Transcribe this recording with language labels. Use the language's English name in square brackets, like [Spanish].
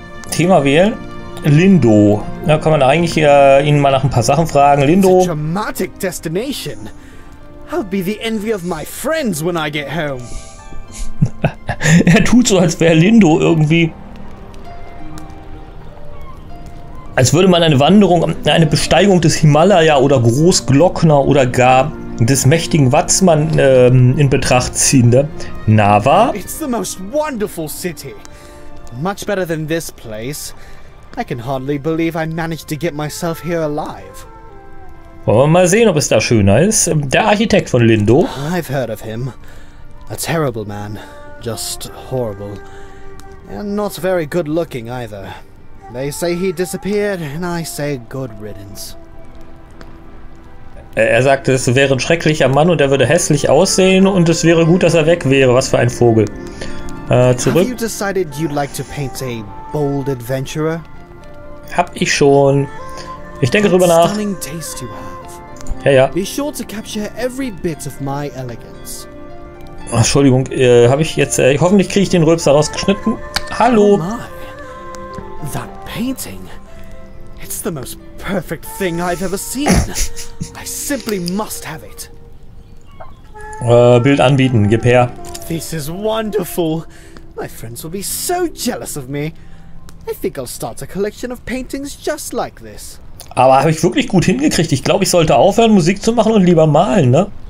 [German] Thema wählen. Lindo. Da kann man eigentlich ihn mal nach ein paar Sachen fragen. Lindo. [English] Dramatic destination. I'll be the envy of my friends when I get home. [German] Er tut so, als wäre Lindo irgendwie. Als würde man eine Wanderung, eine Besteigung des Himalaya oder Großglockner oder gar des mächtigen Watzmann in Betracht ziehen, ne? Nava? [English] It's the most wonderful city. Much better than this place. I can hardly believe I managed to get myself here alive. [German] Wollen wir mal sehen, ob es da schöner ist. Der Architekt von Lindo. [English] I've heard of him. A terrible man. Just horrible. And not very good looking either. They say he disappeared, and I say good riddance. [German] Er sagte, es wäre ein schrecklicher Mann und er würde hässlich aussehen und es wäre gut, dass er weg wäre. Was für ein Vogel. Zurück. [English] Have you decided you'd like to paint a bold adventurer? [German] Hab ich schon. Ich denke drüber nach. [English] Stunning taste you have. [German] Ja, ja. [English] Be sure to capture every bit of my elegance. [German] Ach, Entschuldigung, habe ich jetzt. Hoffentlich kriege ich den Rülpser rausgeschnitten. Hallo. [English] Oh my. That painting. It's the most perfect thing I've ever seen. I simply must have it. [German] Bild anbieten, gib her. [English] This is wonderful. My friends will be so jealous of me. I think I'll start a collection of paintings just like this. [German] Aber habe ich wirklich gut hingekriegt? Ich glaube, ich sollte aufhören, Musik zu machen und lieber malen, ne?